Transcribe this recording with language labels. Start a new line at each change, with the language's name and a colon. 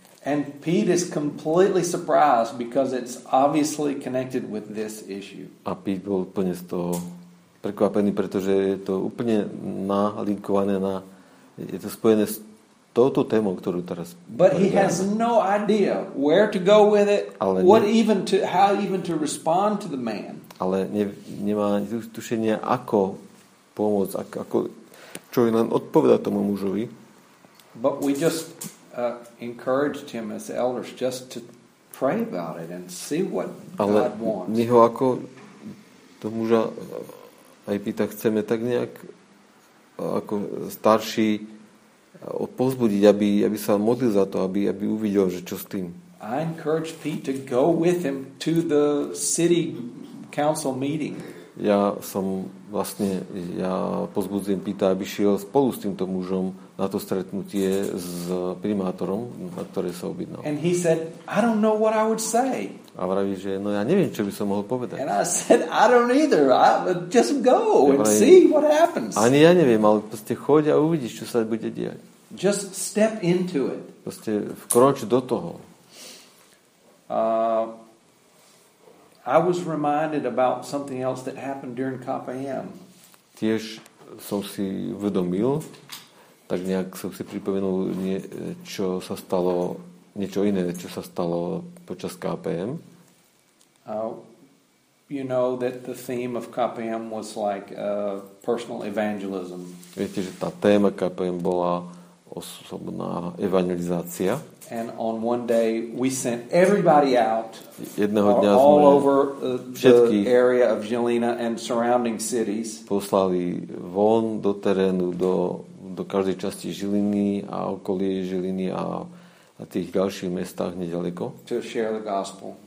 English: And Pete is completely surprised because it's obviously connected with this issue.
Slovak: A Pete bol úplne z toho prekvapený, pretože je to úplne nalinkované je to spojené s touto témou, ktorú teraz
English: But he has no idea where to go with it, how even to respond to the man.
Slovak: Ale nemá tušenie, ako pomôcť, ako čo len odpovedať tomu mužovi.
English: But we just encouraged him as elders just to pray about it and see what
Slovak: Ale
English: God wants.
Slovak: Ale my ho ako to muža aj pýta, chceme tak nejak ako starší pozbudiť, aby sa modlil za to, aby uvidel, že čo s tým.
English: I encouraged Pete to go with him to the city council meeting.
Slovak: Ja som vlastne, ja pozbudzím Pita, aby šiel spolu s týmto mužom na to stretnutie s primátorom, na ktoré sa objednal.
English: And he said, I don't know what I would say.
Slovak: A vraví, že no ja neviem, čo by som mohol povedať.
English: And I said, I don't either. Just go and see what happens.
Slovak: Ani ja neviem, ale proste choď a uvidíš, čo sa bude diať.
English: Just step into it.
Slovak: Proste vkroč do toho.
English: I was reminded about something else that happened during KPM.
Slovak: Tiež som si uvedomil, tak nejak som si pripomenul, čo sa stalo, niečo iné, čo sa stalo počas KPM.
English: You know that the theme of KPM was like personal evangelism.
Slovak: Viete, že tá téma KPM bola osobná evangelizácia.
English: And on one day we sent everybody out
Slovak: jedného dňa
English: all over the area of Žilina and surrounding cities.
Slovak: Poslali von do terénu do každej časti Žiliny a okolie Žiliny a tých ďalších mestách nedaleko.
English: To share the gospel.